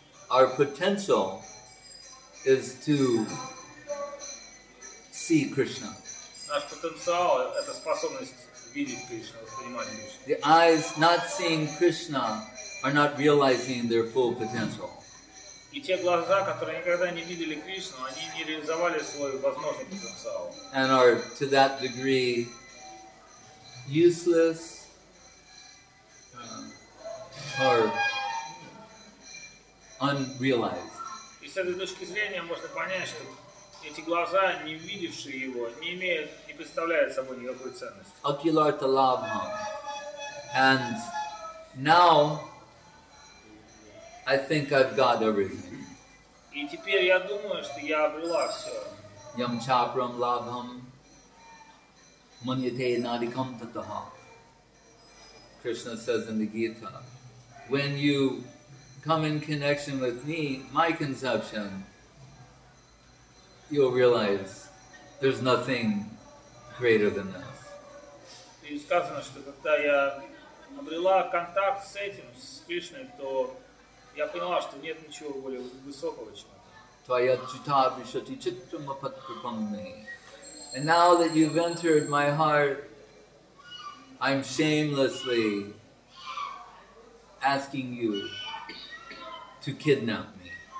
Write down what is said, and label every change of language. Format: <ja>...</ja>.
<en>Our potential is to see Krishna.</en> <ru>Наш потенциал – это способность видеть Кришну, воспринимать Кришну.</ru> <en>The eyes not seeing Krishna are not realizing their full potential.</en> <ru>И те глаза, которые никогда не видели Кришну, они не реализовали свой возможный потенциал.</ru> <en>And are to that degree useless or unrealized.</en> <ru>И с этой точки зрения можно понять, что эти глаза, не видевшие его, не имеют, не представляют собой никакой ценности.</ru> <sa>Ocular to labha.</sa> <en>And now I think I've got everything.</en> <ru>И теперь я думаю, что я обрела все.</ru> <sa>Yam chapram labham manyate nadikam tataha.</sa> <en>Krishna says in the Gita, when you come in connection with me, my conception, you'll realize there's nothing greater than this.</en> <ru>И сказано, что когда я обрела контакт с этим, с Кришной, то я поняла, что нет ничего более высокого, чем</ru> <en>And now that you've entered my heart, I'm shamelessly asking you to kidnap me.</en>